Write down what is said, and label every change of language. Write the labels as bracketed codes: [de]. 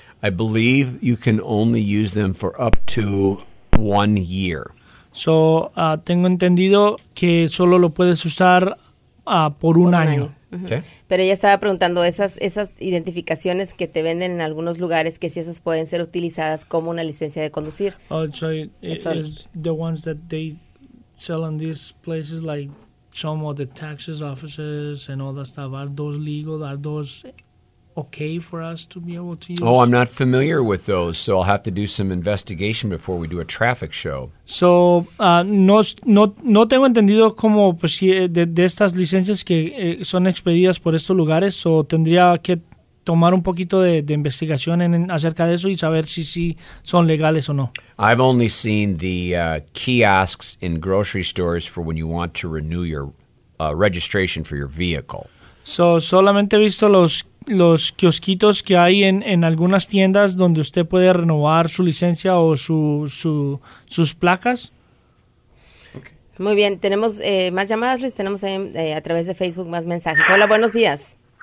[en] I believe you can only use them for up to 1 year. So, [es] tengo entendido que solo lo puedes usar por un año. Pero ella estaba preguntando, esas identificaciones que te venden en algunos lugares, que si esas pueden ser utilizadas como una licencia de conducir. [en] The ones that they sell in these places, like some of the taxes offices and all that stuff, are those legal? Are those okay for us to be able to use? Oh, I'm not familiar with those, so I'll have to do some investigation before we do a traffic show. So, [es] no tengo entendido cómo pues, de estas licencias que son expedidas por estos lugares, so tendría que tomar un poquito de investigación acerca de eso y saber si son legales o no. [en] I've only seen the kiosks in grocery stores for when you want to renew your registration for your vehicle. So, [es] solamente he visto los kiosquitos que hay en algunas tiendas donde usted puede renovar su licencia o sus placas. [en] Okay. [es] Muy bien, tenemos más llamadas, Luis, tenemos a través de Facebook más mensajes. Hola, buenos días.